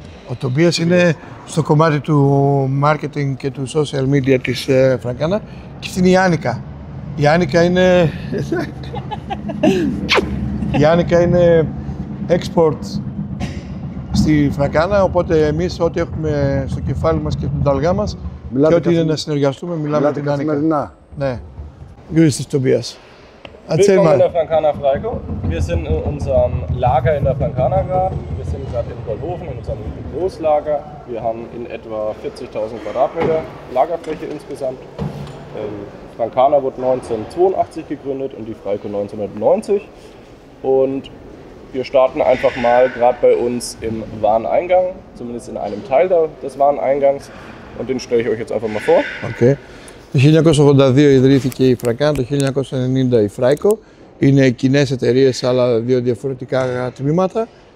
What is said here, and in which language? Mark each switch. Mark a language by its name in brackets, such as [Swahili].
[Greek] Ο Τομπίας είναι στο κομμάτι του marketing και του social media της Φραγκάνα και στην Ιάνικα. Η Άνικα είναι... Η Άνικα είναι export στη Φραγκάνα, οπότε εμείς ό,τι έχουμε στο κεφάλι μας και την ταλγά μας μιλάτε και ό,τι είναι να συνεργαστούμε, μιλάμε με την Άνικα. Μιλάτε καθημερινά. Ναι. Γιώργης της Τομπίας. [German] Willkommen in der Frankana Freiko. Wir sind in unserem Lager in der Frankana gerade. Wir sind gerade in Goldhofen, in unserem Großlager. Wir haben in etwa 40.000 Quadratmeter Lagerfläche insgesamt. Frankana wurde 1982 gegründet und die Freiko 1990. Und wir starten einfach mal gerade bei uns im Wareneingang, zumindest in einem Teil des Wareneingangs. Und den stelle ich euch jetzt einfach mal vor. Okay. [Greek] Το 1982 ιδρύθηκε η Φραγκάνα, το 1990 η Φράικο. Είναι κοινές εταιρείες, αλλά δύο διαφορετικά τμήματα.